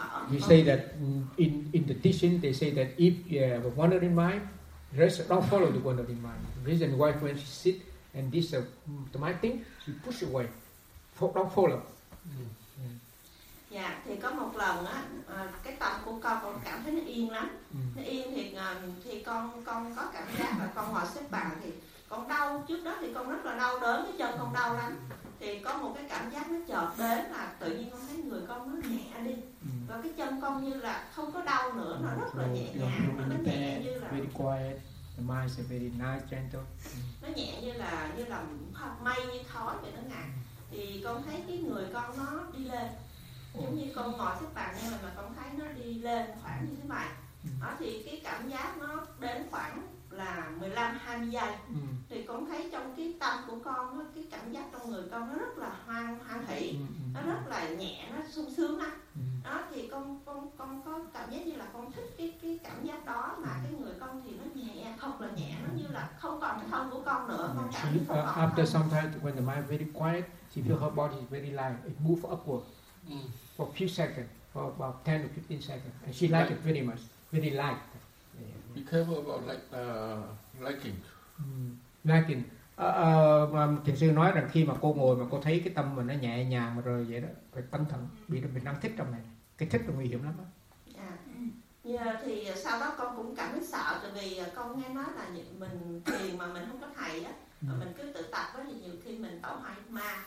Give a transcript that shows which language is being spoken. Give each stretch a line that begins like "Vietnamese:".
English: You say that in the teaching they say that if you have a wandering mind, don't follow the wandering mind. Reason why when she sit and this the mind thing, she push away. Don't follow.
Vietnamese: Yeah, thì có một lần á, cái tâm của con cảm thấy nó yên lắm. Nó yên thì con có cảm giác là con ngồi xếp bằng thì con đau, trước đó thì con rất là đau đớn, cái chân con đau lắm. Thì có một cái cảm giác nó chợt đến là tự nhiên con thấy người con nó nhẹ đi. Và cái chân con như là không có đau nữa, nó rất là nhẹ nhàng, nó nhẹ như là
English: very quiet, the mind is very nice, gentle.
Vietnamese: Nó nhẹ như là mây như khói vậy đó nè. Thì con thấy cái người con nó đi lên. Giống như con ngồi xếp bằng nhưng mà con thấy nó đi lên khoảng như thế này. Đó, thì cái cảm giác nó đến khoảng là 15-20 giây. Thì con thấy trong cái tâm của con, cái cảm giác trong người con nó rất là hoan hỷ, nó rất là nhẹ, nó sung sướng lắm. Đó, thì con có cảm giác như là con thích cái cảm giác đó, mà cái người con thì nó nhẹ, thật là nhẹ, nó như là không còn cái thân của con nữa, con cảm thấy phục vụ.
English: After some time, when the mind is very quiet, she feels her body is very light, it moves upward for a few seconds. For about 10 to 15 seconds. And she liked it very much. Very light. Be careful about liking. Liking.
Vietnamese: Thiền sư nói rằng khi mà cô ngồi mà cô thấy cái tâm mình nó nhẹ nhàng mà rồi vậy đó, phải tâm thần, bị mình đang thích trong này. Cái thích là nguy hiểm lắm đó. Thì sau đó con cũng cảm thấy sợ, tại vì con nghe nói là mình thiền mà mình không có thầy á, mà mình cứ tự tập á, thì nhiều khi mình tẩu hỏa nhập ma.